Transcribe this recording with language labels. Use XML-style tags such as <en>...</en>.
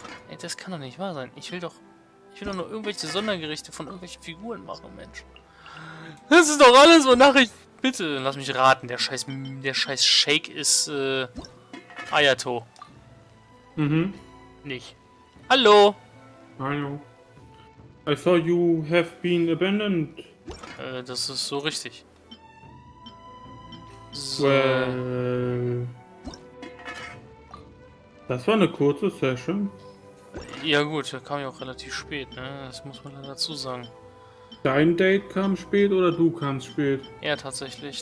<de>Ey, das kann doch nicht wahr sein. Ich will doch nur irgendwelche Sondergerichte von irgendwelchen Figuren machen, Mensch. Das ist doch alles, wonach ich. Bitte, lass mich raten. Der scheiß Shake ist, Ayato. Mhm. Nicht. Hallo! Hallo.</de> <en>I thought you have been abandoned.</en> <de>Das ist so richtig. So. Well, das war eine kurze Session. Ja gut, da kam ja auch relativ spät, ne? Das muss man dazu sagen. Dein Date kam spät oder du kamst spät? Ja, tatsächlich.</de>